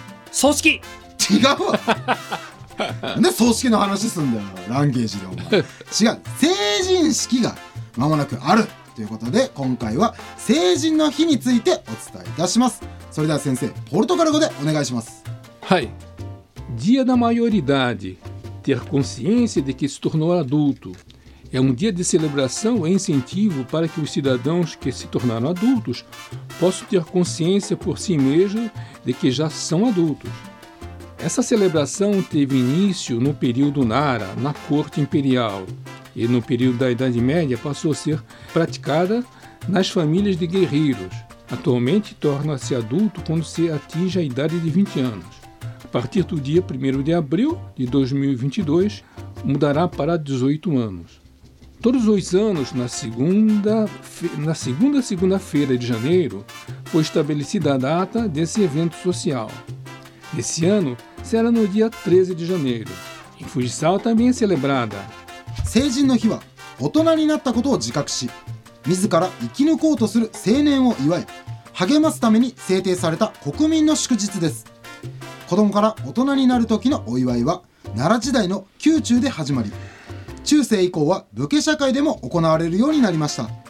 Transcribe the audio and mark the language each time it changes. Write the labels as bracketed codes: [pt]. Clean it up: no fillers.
[ja] 葬式。違うわなんで葬式の話すんだよランゲージでお前違う、成人式が間もなくあるということで今回は成人の日についてお伝えいたします。それでは先生ポルトガル語でお願いします。 [pt] はい、 Dia da maioridade ter consciência de que se tornou adultoÉ um dia de celebração e incentivo para que os cidadãos que se tornaram adultos possam ter consciência por si mesmos de que já são adultos. Essa celebração teve início no período Nara, na corte imperial, e no período da Idade Média passou a ser praticada nas famílias de guerreiros. Atualmente torna-se adulto quando se atinge a idade de 20 anos. A partir do dia 1º de abril de 2022, mudará para 18 anos. Todos os anos, na segunda-feira de janeiro, foi estabelecida a data desse evento social. Esse ano será no dia 13 de janeiro. Em Fujisawa também é celebrada. [ja] 成人の日は大人になったことを自覚し、自ら生き抜こうとする青年を祝い、励ますために制定された国民の祝日です。子供から大人になる時のお祝いは、奈良時代の宮中で始まり、中世以降は武家社会でも行われるようになりました。